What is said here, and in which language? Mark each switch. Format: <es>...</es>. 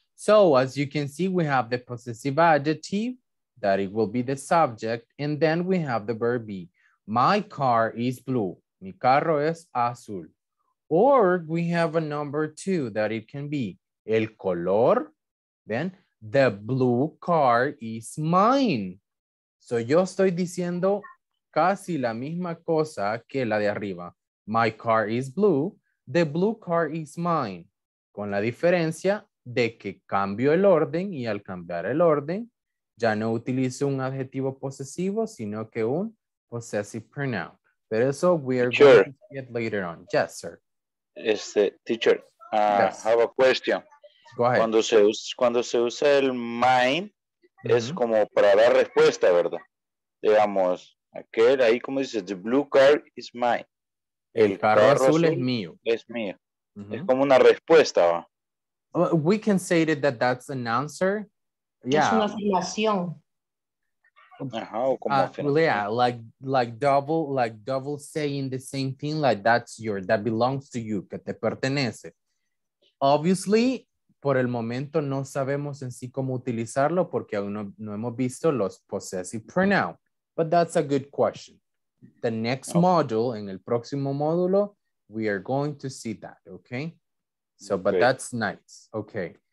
<en>So as you can see, we have the possessive adjective that it will be the subject. And then we have the verb be. My car is blue.</en> <es>Mi carro es azul.</es> <en>Or we have a number two that it can be</en> <es>el color,</es> <en>then the blue car is mine.</en> <es>So yo estoy diciendo casi la misma cosa que la de arriba.</es> <en>My car is blue, the blue car is mine.</en> <es>Con la diferencia de que cambio el orden y al cambiar el orden, ya no utilizo un adjetivo posesivo, sino que un possessive pronoun. Pero eso</es> <en>we are sure. Going to get later on. Yes, sir. Este, teacher, yes. Have a question. Go ahead.</en> <es>Cuando se usa el mine, mm-hmm. Es como para dar respuesta, ¿verdad? Digamos, aquel ahí, como dices,</es> <en>the blue car is mine.</en> <es>El carro azul es mío. Es mío. Mm-hmm. Es como una respuesta, ¿va?</es> <en>We can say that that's an answer. Yeah.</en> <es>Es una afirmación.</es> <en>Yeah, like double saying the same thing, like that's your, that belongs to you,</en> <es>que te pertenece. Obviously, por el momento no sabemos en sí cómo utilizarlo porque aún no hemos visto los possessive pronouns.</es> <en>But that's a good question. The next module,</en> <es>en el próximo módulo,</es> <en>we are going to see that, okay? So, but okay. That's nice. Okay.</en>